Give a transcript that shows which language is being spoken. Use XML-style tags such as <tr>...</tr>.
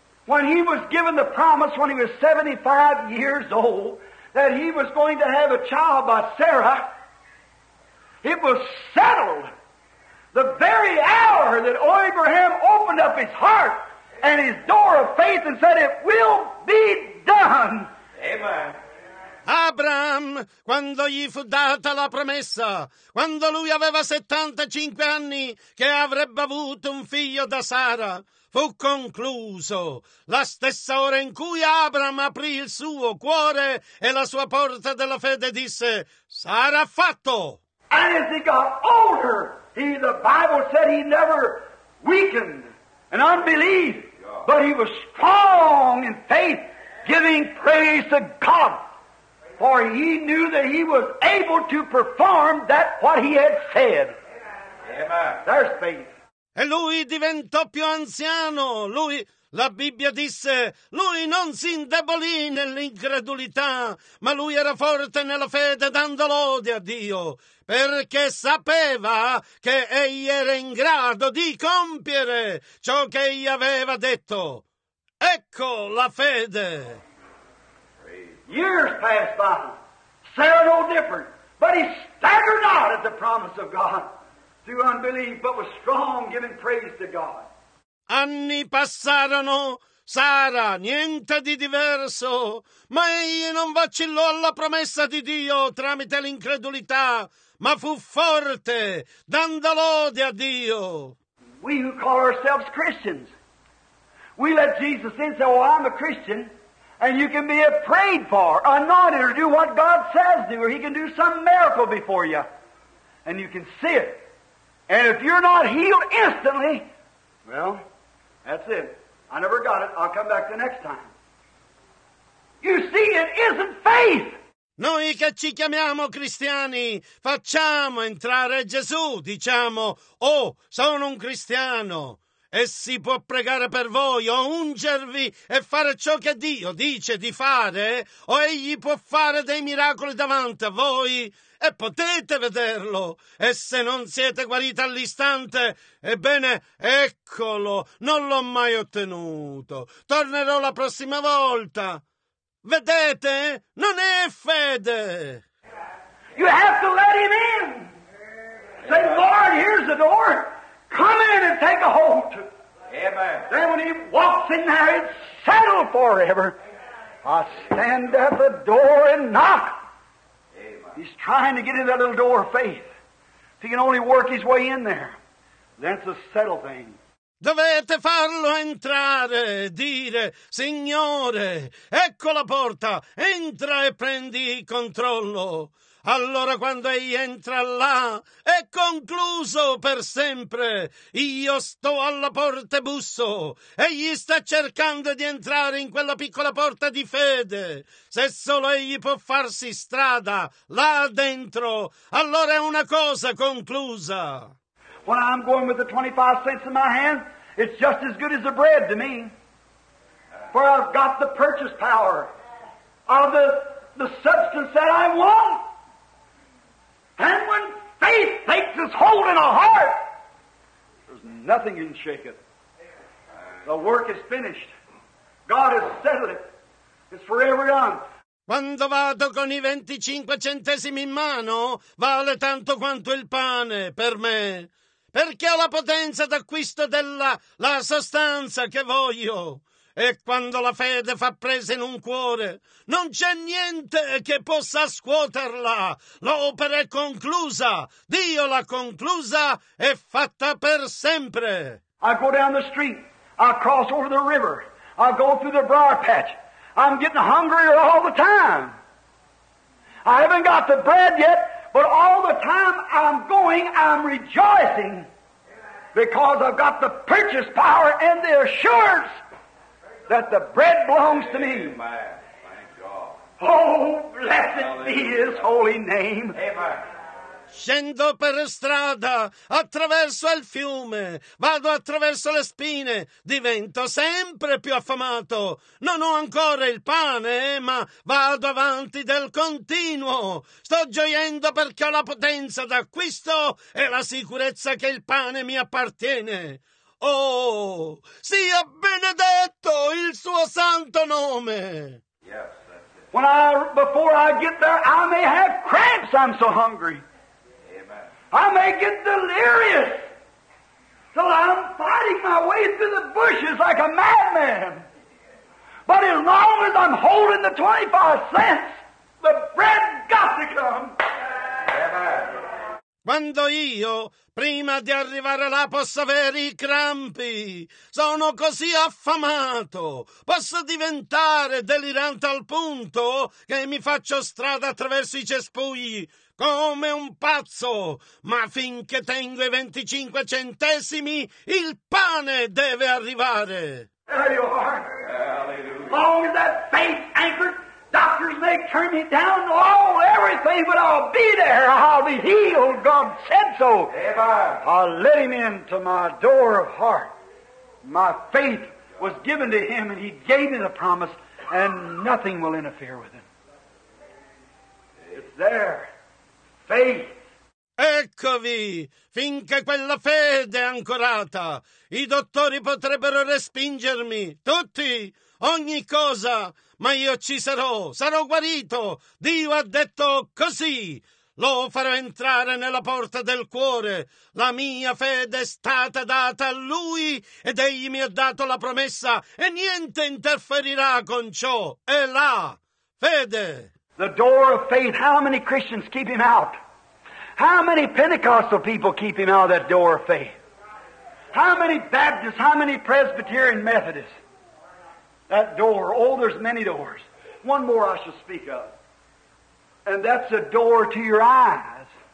<en>When he was given the promise when he was 75 years old that he was going to have a child by Sarah, it was settled. The very hour that Abraham opened up his heart and his door of faith and said, it will be done. Amen.</en> <it>Abram, quando gli fu data la promessa, quando lui aveva 75 anni, che avrebbe avuto un figlio da Sara, fu concluso la stessa ora in cui Abram aprì il suo cuore e la sua porta della fede e disse: sarà fatto.</it> <en>And as he got older, the Bible said he never weakened in unbelief, but he was strong in faith, giving praise to God. For he knew that he was able to perform that what he had said. Amen. There's faith.</en> <it>E lui diventò più anziano. Lui, la Bibbia disse, lui non si indebolì nell'incredulità, ma lui era forte nella fede, dando lode a Dio, perché sapeva che egli era in grado di compiere ciò che egli aveva detto. Ecco la fede.</it> <en>Years passed by. Sarah no different. But he staggered not at the promise of God through unbelief, but was strong, giving praise to God.</en> <it>Anni passarono, Sara, niente di diverso, ma egli non vacillò alla promessa di Dio tramite l'incredulità, ma fu forte, dando lode a Dio.</it> <en>We who call ourselves Christians, we let Jesus in and say, well, I'm a Christian, and you can be prayed for, anointed, or do what God says to you, or he can do some miracle before you, and you can see it. And if you're not healed instantly, well, that's it. I never got it. I'll come back the next time. You see, it isn't faith.</en> <it>Noi che ci chiamiamo cristiani, facciamo entrare Gesù. Diciamo, oh, sono un cristiano. E si può pregare per voi o ungervi e fare ciò che Dio dice di fare, o egli può fare dei miracoli davanti a voi e potete vederlo. E se non siete guariti all'istante, ebbene, eccolo, non l'ho mai ottenuto. Tornerò la prossima volta. Vedete? Non è fede.</it> <en>You have to let him in. Say, Lord, here's the door. Come in and take a hold. Amen. Then when he walks in there, it's settled forever. Amen. I stand at the door and knock. Amen. He's trying to get in that little door of faith. If he can only work his way in there, then it's a settled thing.</en> <it>Dovete farlo entrare e dire, Signore, ecco la porta, entra e prendi il controllo. Allora quando egli entra là, è concluso per sempre. Io sto alla porta e busso. Egli sta cercando di entrare in quella piccola porta di fede. Se solo egli può farsi strada là dentro, allora è una cosa conclusa.</it> <en>When I'm going with the 25 cents in my hand, it's just as good as the bread to me. For I've got the purchase power of the substance that I want. And when faith takes its hold in a heart, there's nothing can shake it. The work is finished. God has settled it. It's forever done.</en> <it>Quando vado con i 25 centesimi in mano, vale tanto quanto il pane per me. Perché ho la potenza d'acquisto della la sostanza che voglio. E quando la fede fa presa in un cuore, non c'è niente che possa scuoterla. L'opera è conclusa. Dio l'ha conclusa e fatta per sempre.</it> <en>I go down the street. I cross over the river. I go through the briar patch. I'm getting hungrier all the time. I haven't got the bread yet, but all the time I'm going, I'm rejoicing because I've got the purchase power and the assurance that the bread belongs to me. Amen. Thank God. Oh, blessed be his holy name. Amen.</en> <it>Scendo per strada, attraverso il fiume, vado attraverso le spine, divento sempre più affamato. Non ho ancora il pane, ma vado avanti del continuo. Sto gioiendo perché ho la potenza d'acquisto e la sicurezza che il pane mi appartiene. Oh, sia benedetto il suo santo nome.</it> <en>Yes, when I before I get there, I may have cramps. I'm so hungry. Amen. I may get delirious. So I'm fighting my way through the bushes like a madman. But as long as I'm holding the 25 cents, the bread got to come.</en> <it>Quando io, prima di arrivare là, posso avere i crampi, sono così affamato, posso diventare delirante al punto che mi faccio strada attraverso i cespugli come un pazzo, ma finché tengo i 25 centesimi, il pane deve arrivare.</it> <en>There you are. Hallelujah. Long that faith anchored. Doctors may turn me down, everything, but I'll be there. I'll be healed. God said so. Amen. I let him into my door of heart. My faith was given to him, and he gave me the promise, and nothing will interfere with it. It's there. Faith.</en> <it>Eccovi, finché quella fede è ancorata, i dottori potrebbero respingermi, tutti, ogni cosa, ma io ci sarò, sarò guarito. Dio ha detto così, lo farò entrare nella porta del cuore. La mia fede è stata data a Lui ed Egli mi ha dato la promessa e niente interferirà con ciò. È là, fede.</it> <en>The door of faith, how many Christians keep him out? How many Pentecostal people keep him out of that door of faith? How many Baptists, how many Presbyterian Methodists? That door, oh, there's many doors. One more I shall speak of. And that's a door to your eyes.</en>